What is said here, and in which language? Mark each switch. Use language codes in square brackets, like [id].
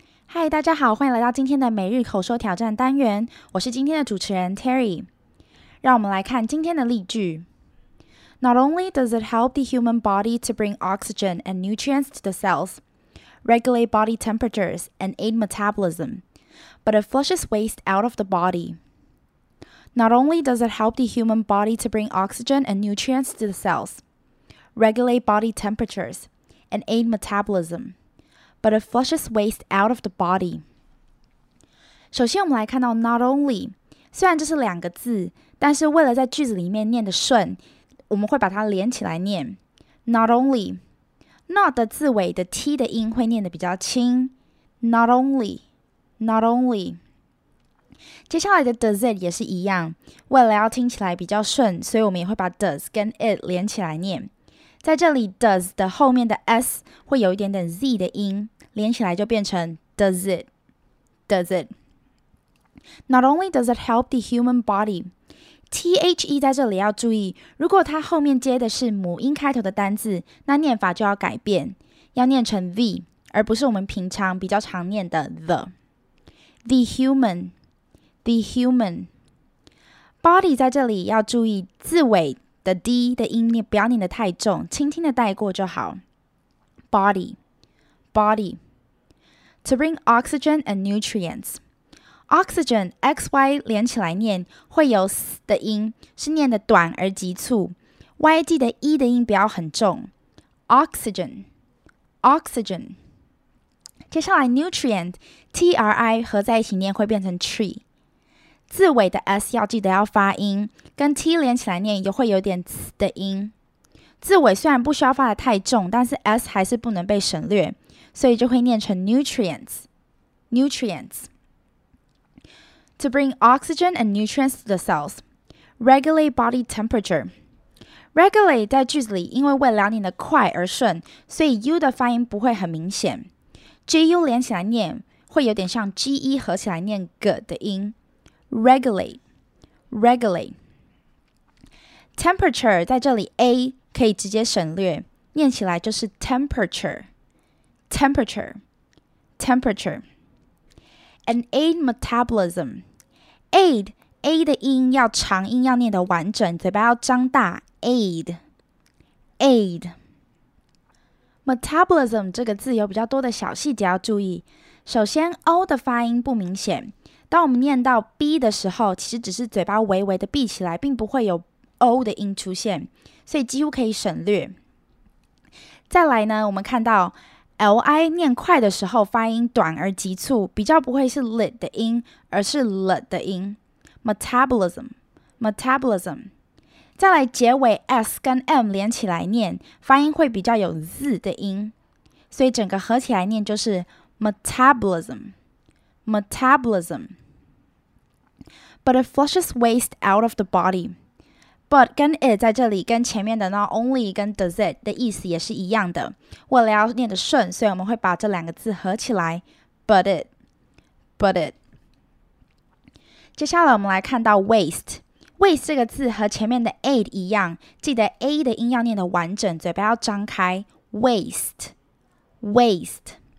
[zh] 嗨，大家好，欢迎来到今天的每日口说挑战单元，我是今天的主持人 Terry。让我们来看今天的例句。 [en] Not only does it help the human body to bring oxygen and nutrients to the cells, regulate body temperatures and aid metabolism, but it flushes waste out of the body. Not only does it help the human body to bring oxygen and nutrients to the cells, regulate body temperatures and aid metabolism,But it flushes waste out of the body. [zh] 首先我们来看到 [en] not only, [zh] 虽然这是两个字，但是为了在句子里面念得顺，我们会把它连起来念。 [en] Not only, not [zh] 的字尾的 T 的音会念得比较轻。 [en] Not only, not only. [zh] 接下来的 [en] does it [zh] 也是一样，为了要听起来比较顺，所以我们也会把 does 跟 it 连起来念。在这里 does 的后面的 s 会有一点点 z 的音，连起来就变成 [en] does it, does it. Not only does it help the human body, [zh] T-H-E 在这里要注意，如果它后面接的是母音开头的单字，那念法就要改变，要念成 the, 而不是我们平常比较常念的 the. [en] The human, the human. [zh] Body 在这里要注意字尾的 D 的音，你不要念得太重，轻轻的带过就好。 [en] Body, body. To bring oxygen and nutrients. [zh] Oxygen, X-Y 连起来念，会有 S 的音，是念的短而急促。 Y-D 的 E 的音不要很重。 [en] Oxygen, oxygen. [zh] 接下来 nutrient, T-R-I 合在一起念会变成 tree。字尾的 s 要记得要发音，跟 t 连起来念也会有点 s 的音。字尾虽然不需要发得太重，但是 s 还是不能被省略，所以就会念成 [en] nutrients, nutrients. To bring oxygen and nutrients to the cells, regulate body temperature. [zh] Regulate 在句子里因为为了念得快而顺，所以 u 的发音不会很明显。 gu 连起来念会有点像 ge 合起来念 g 的音。 [en] Regulate, regulate. Temperature [zh] 在这里 A 可以直接省略，念起来就是 [en] temperature, temperature, temperature. And aid metabolism. [zh] Aid, A 的音要长音，要念得完整，嘴巴要张大。 [en] Aid, aid. [zh] Metabolism 这个字有比较多的小细节要注意。首先 O 的发音不明显，当我们念到 B 的时候，其实只是嘴巴微微的闭起来，并不会有 O 的音出现，所以几乎可以省略。再来呢，我们看到 LI 念快的时候发音短而急促，比较不会是 lit 的音，而是 l 的音。 [en] Metabolism, metabolism. [zh] 再来结尾 S 跟 M 连起来念，发音会比较有 Z 的音，所以整个合起来念就是 metabolism。 [en] Metabolism. But it flushes waste out of the body. [zh] But 跟 it 在这里跟前面的 [en] not only [zh] 跟 [en] does it [zh] 的意思也是一样的，为了要念得顺，所以我们会把这两个字合起来， [en] but it, but it. [zh] 接下来我们来看到 waste. Waste 这个字和前面的 aid 一样，记得 a 的音要念得完整，嘴巴要张开， [en] waste, waste.